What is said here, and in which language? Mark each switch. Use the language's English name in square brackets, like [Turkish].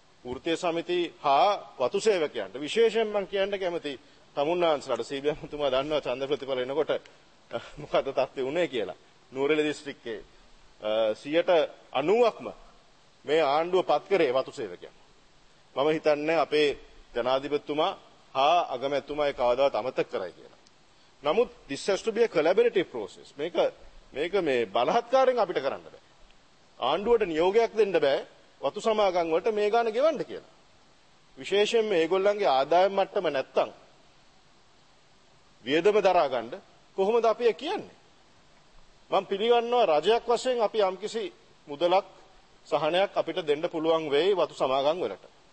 [Sinhala] වෘත්තීය සමිතිය හා වතු සේවකයන්ට විශේෂයෙන් මම කියන්න කැමති තමුන්නාන්සලාට සීබීඑම් තුමා දන්නවා ඡන්ද ප්‍රතිඵල එනකොට මොකද තත්ත්වය උනේ කියලා. නුවරඑළ දිස්ත්‍රික්කයේ 90%ක්ම මේ ආණ්ඩුව පත් කරේ වතු සේවකයන්. මම හිතන්නේ අපේ ජනාධිපතිතුමා හා අගමැතිතුමයි කවදාවත් අමතක කරයි කියලා. නමුත් [English] this has to be a collaborative process. [Sinhala] මේක මේ බලහත්කාරයෙන් අපිට කරන්න බෑ. ආණ්ඩුවට නියෝගයක් දෙන්න බෑ වතු සමාගම් වලට මේ ගාන ගෙවන්න කියලා. විශේෂයෙන්ම මේගොල්ලන්ගේ ආදායම් මට්ටම නැත්තම් වියදම දරා ගන්න කොහොමද අපි කියන්නේ? මම පිළිගන්නවා රජයක් වශයෙන් අපි යම්කිසි මුදලක් සහනයක් අපිට දෙන්න පුළුවන් වෙයි වතු සමාගම් වලට.